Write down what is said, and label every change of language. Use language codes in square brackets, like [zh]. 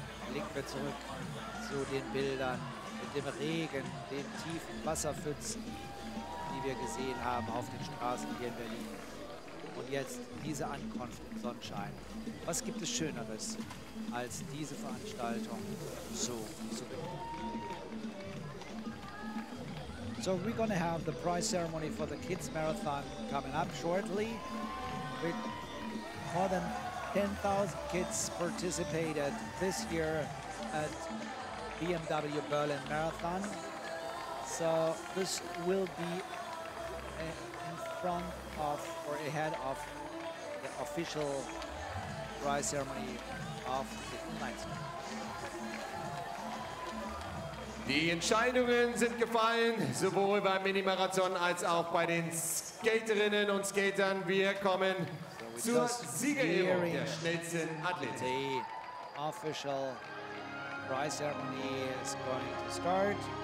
[de] Blicken wir zurück zu den Bildern mit dem Regen, den tiefen Wasserpfützen, die wir gesehen haben auf den Straßen hier in Berlin. Und jetzt diese Ankunft im Sonnenschein. Was gibt es Schöneres, als diese Veranstaltung so zu beginnen? [en] So we're going to have the prize ceremony for the Kids Marathon coming up shortly. With more than 10,000 kids participated this year at BMW Berlin Marathon. So this will be in front of or ahead of the official prize ceremony of the night. [de] Die Entscheidungen sind gefallen, sowohl beim Mini-Marathon als auch bei den Skaterinnen und Skatern. Wir kommen zur Siegerehrung der schnellsten Athletin. [en] The official prize ceremony is going to start.